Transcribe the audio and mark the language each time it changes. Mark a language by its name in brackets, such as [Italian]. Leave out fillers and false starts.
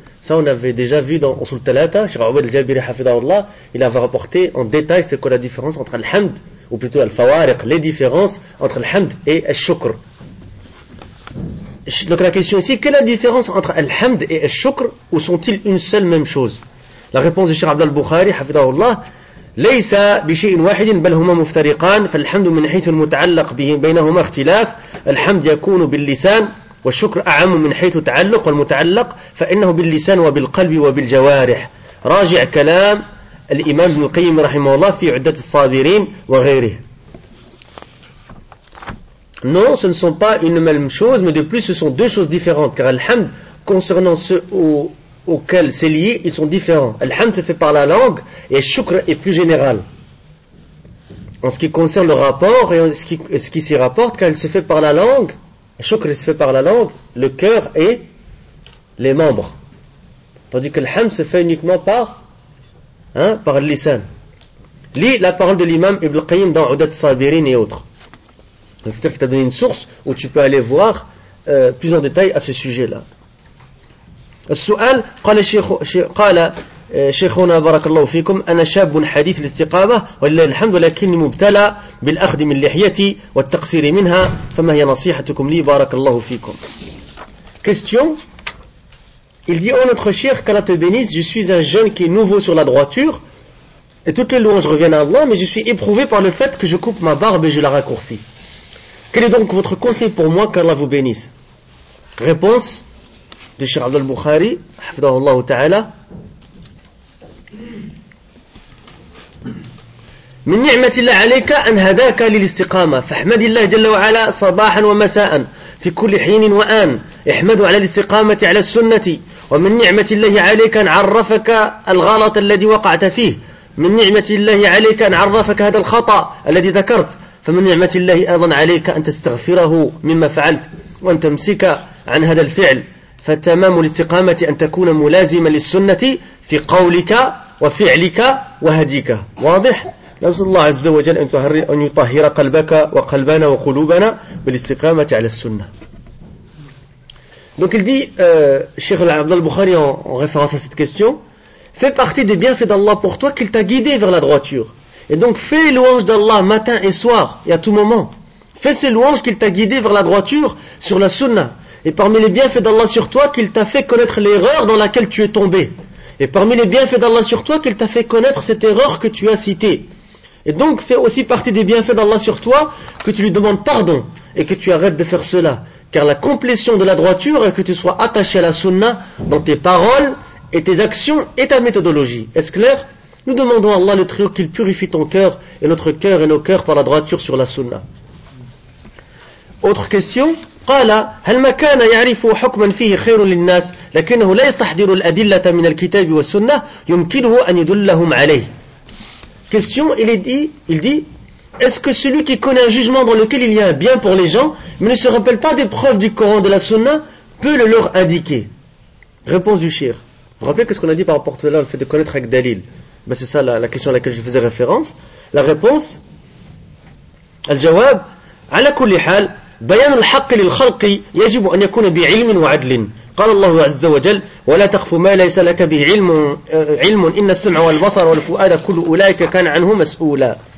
[French] Ça on avait déjà vu dans Usul Talata, Cheikh Abu al-Jabiri hafidahullah, il avait rapporté en détail c'est quoi la différence entre al-hamd ou plutôt al-fawariq, les différences entre al-hamd et al-shukr. Donc la question ici, quelle est la différence entre al-hamd et al-shukr ou sont-ils une seule même chose? La réponse de Cheikh Abdul Bukhari hafidahullah, [Arabic] ليس بشيء واحد بل هما مفترقان فالحمد من حيث المتعلق بينهما اختلاف الحمد يكون باللسان والشكر أعم من حيث التعلق والمتعلق فإنه باللسان وبالقلب وبالجوارح راجع كلام الإمام ابن القيم رحمه الله في عدة الصابرين وغيره. [French] Non, ce ne sont pas une même chose, mais de plus, ce sont deux choses différentes. Car الحمد concernant ceux auxquels c'est lié, ils sont différents. الحمد se fait par la langue et الشكر est plus général. En ce qui concerne le rapport et ce qui s'y rapporte, car il se fait par la langue. Shukr se fait par la langue, le cœur et les membres. Tandis que l'hamd se fait uniquement par l'lisan. Lis la parole de l'imam Ibn Qayyim dans Udat Sabirin et autres. C'est-à-dire qu'il t'a donné une source où tu peux aller voir plus en détail à ce sujet-là. [Arabic] Al-su'al, qala شيخنا بارك الله فيكم أنا شاب حديث الاستقامة ولله الحمد ولكني مبتلى بالأخذ من لحيتي والتقصير منها فما هي نصيحتكم لي بارك الله فيكم. [French] Question. Il dit: oh notre cher, qu'Allah te bénisse, je suis un jeune qui est nouveau sur la droiture et toutes les louanges reviennent à Allah, mais je suis éprouvé par le fait que je coupe ma barbe et je la raccourcis. Quel est donc votre conseil pour moi, qu'Allah vous bénisse? Réponse de Cheikh Abdul Bukhari [Arabic] حفظه الله تعالى: من نعمة الله عليك أن هداك للاستقامة فاحمد الله جل وعلا صباحا ومساء في كل حين وآن احمده على الاستقامة على السنة. ومن نعمة الله عليك أن عرفك الغلط الذي وقعت فيه. من نعمة الله عليك أن عرفك هذا الخطأ الذي ذكرت. فمن نعمة الله أيضا عليك أن تستغفره مما فعلت وأن تمسك عن هذا الفعل. فتمام الاستقامة أن تكون ملازما للسنة في قولك وفعلك وهديك. واضح؟ نسأل الله عز وجل أن يطهر قلبك وقلبنا وقلوبنا بالاستقامة على السنة. [French] Donc il dit, Cheikh Abdallah al-Bukhari, en référence à cette question, fais partie des bienfaits d'Allah pour toi qu'il t'a guidé vers la droiture. Et donc fais louange d'Allah matin et soir et à tout moment. Fais ces louanges qu'il t'a guidé vers la droiture sur la sunna. Et parmi les bienfaits d'Allah sur toi, qu'il t'a fait connaître l'erreur dans laquelle tu es tombé. Et parmi les bienfaits d'Allah sur toi, qu'il t'a fait connaître cette erreur que tu as citée. Et donc, fais aussi partie des bienfaits d'Allah sur toi, que tu lui demandes pardon et que tu arrêtes de faire cela. Car la complétion de la droiture est que tu sois attaché à la sunna dans tes paroles et tes actions et ta méthodologie. Est-ce clair? Nous demandons à Allah le Très-Haut qu'il purifie ton cœur et notre cœur et nos cœurs par la droiture sur la sunna. Autre question? [Arabic] قال هل ما كان يعرف حكما فيه خير للناس لكنه لا يستحضر الأدلة من الكتاب والسنة يمكنه أن يدلهم عليه. [French] Question, il dit, est-ce que celui qui connaît un jugement dans lequel il y a un bien pour les gens, mais ne se rappelle pas des preuves du Coran, de la Sunna, peut le leur indiquer? Réponse du Shir. Vous vous rappelez ce qu'on a dit par rapport à le fait de connaître avec Dalil? Ben c'est ça la question à laquelle je faisais référence. La réponse, [Arabic] al-jawab, ala kulli hal, بيان الحق للخلق يجب أن يكون بعلم وعدل. قال الله عز وجل ولا تخف ما ليس لك به علم إن السمع والبصر والفؤاد كل أولئك كان عنه مسؤولا.